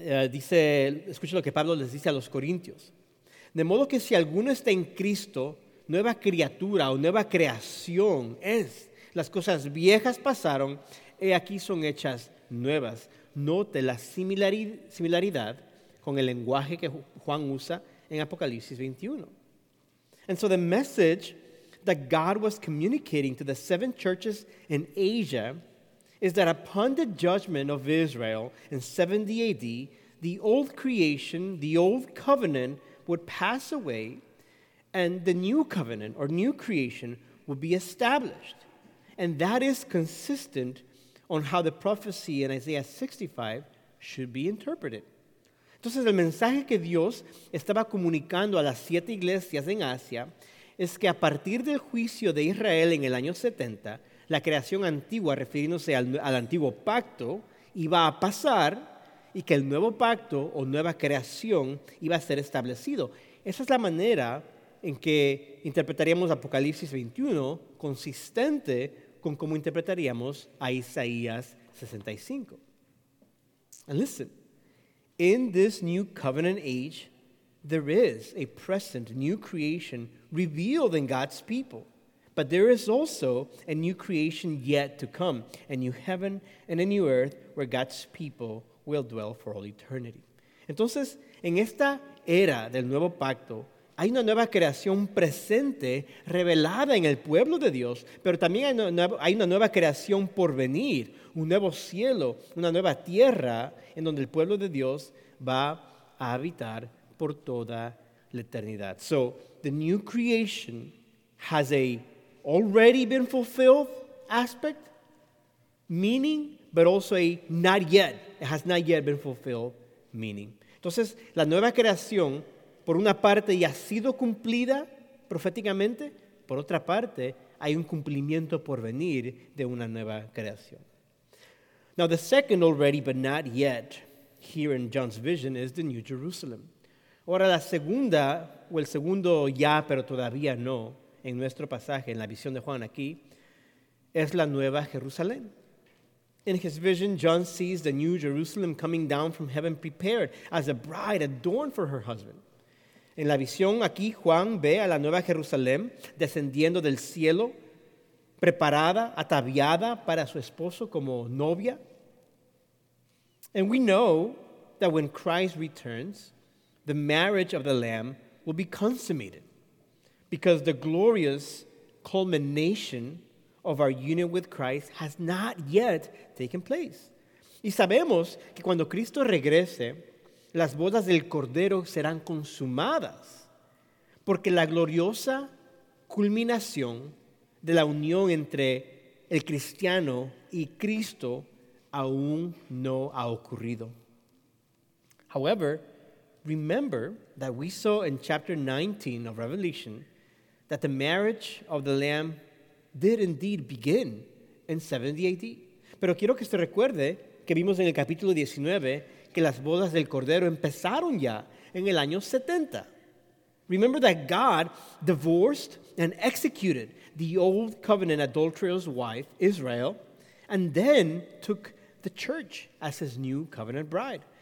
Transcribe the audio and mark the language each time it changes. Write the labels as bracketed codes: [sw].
[es] Dice, escuche lo que Pablo les dice a los Corintios. De modo que si alguno está en Cristo, nueva criatura o nueva creación es. Las cosas viejas pasaron, y aquí son hechas nuevas. Note la similaridad con el lenguaje que Juan usa en Apocalipsis 21. [en] And so the message that God was communicating to the seven churches in Asia is that upon the judgment of Israel in 70 AD, the old creation, the old covenant would pass away and the new covenant or new creation would be established. And that is consistent on how the prophecy in Isaiah 65 should be interpreted. [es] Entonces, el mensaje que Dios estaba comunicando a las siete iglesias en Asia es que a partir del juicio de Israel en el año 70, la creación antigua, refiriéndose al antiguo pacto, iba a pasar y que el nuevo pacto o nueva creación iba a ser establecido. Esa es la manera en que interpretaríamos Apocalipsis 21, consistente con cómo interpretaríamos a Isaías 65. [en] And listen, in this new covenant age, there is a present new creation revealed in God's people. But there is also a new creation yet to come, a new heaven and a new earth where God's people will dwell for all eternity. [es] Entonces, en esta era del nuevo pacto, hay una nueva creación presente revelada en el pueblo de Dios, pero también hay una nueva creación por venir, un nuevo cielo, una nueva tierra en donde el pueblo de Dios va a habitar por toda la eternidad. [en] So the new creation has a already been fulfilled aspect, meaning, but also a not yet. It has not yet been fulfilled meaning. [es] Entonces, la nueva creación, por una parte, ya ha sido cumplida proféticamente. Por otra parte, hay un cumplimiento por venir de una nueva creación. [en] Now, the second already, but not yet, here in John's vision, is the New Jerusalem. [es] Ahora, la segunda, o el segundo ya, pero todavía no, en nuestro pasaje, en la visión de Juan aquí, es la Nueva Jerusalén. [en] In his vision, John sees the New Jerusalem coming down from heaven prepared as a bride adorned for her husband. [es] En la visión aquí, Juan ve a la Nueva Jerusalén descendiendo del cielo, preparada, ataviada para su esposo como novia. [en] And we know that when Christ returns, the marriage of the Lamb will be consummated, because the glorious culmination of our union with Christ has not yet taken place. [es] Y sabemos que cuando Cristo regrese, las bodas del Cordero serán consumadas, porque la gloriosa culminación de la unión entre el cristiano y Cristo aún no ha ocurrido. [en] However, remember that we saw in chapter 19 of Revelation that the marriage of the Lamb did indeed begin in 70 AD. [es] Pero quiero que se recuerde que vimos en el capítulo 19 que las bodas del Cordero empezaron ya en el año 70. [en] Remember that God divorced and executed the old covenant adulterous wife, Israel, and then took the church as his new covenant bride.